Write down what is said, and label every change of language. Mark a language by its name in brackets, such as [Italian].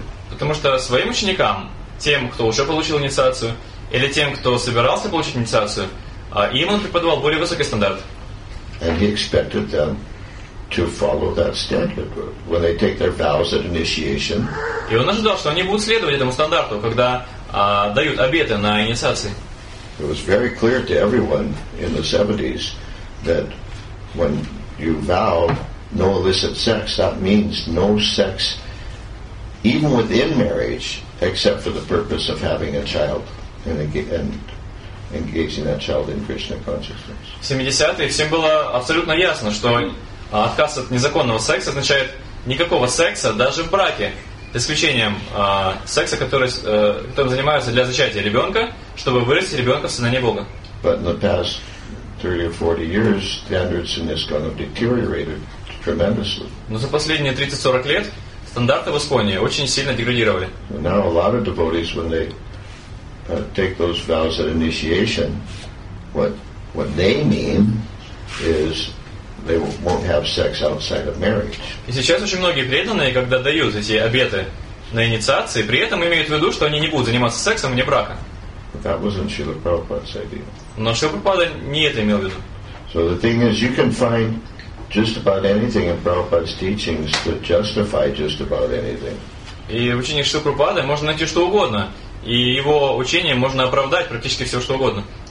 [Russian] Потому что своим ученикам, тем, кто уже получил инициацию, или тем, кто собирался получить инициацию, им он преподавал более высокий стандарт. [English] And he expected them to follow that standard when they take their vows at initiation. [Russian] И он ожидал, что они будут следовать этому стандарту, когда дают обеты на инициации. [English] It was very clear to everyone in the 70s that when you vow no illicit sex, that means no sex even within marriage except for the purpose of having a child and engaging that child in Krishna consciousness. [Russian] В 70-е всем было абсолютно ясно, что отказ от незаконного секса означает никакого секса даже в браке, с исключением секса, которым занимаются для зачатия ребенка, чтобы вырастить ребенка в сознании Бога. [English] But in the past 30 or 40 years standards in this kind of deteriorated. [Russian] Но за последние 30-40 лет стандарты в Исконе очень сильно деградировали. [English] Now a lot of devotees, when they take those vows at initiation, what they mean is they won't have sex outside of marriage. [Russian] И сейчас очень многие преданные, когда дают эти обеты на инициации, при этом имеют в виду, что они не будут заниматься сексом вне брака. [English] But that wasn't Srila Prabhupada's idea. [Russian] Но Шрила Прабхупада не это имел в виду. [English] So the thing is, you can find just about anything in Prabhupada's teachings to justify just about anything. [Russian] И в учениях Шрилы Прабхупады можно найти что угодно, и его учение можно оправдать практически все что угодно.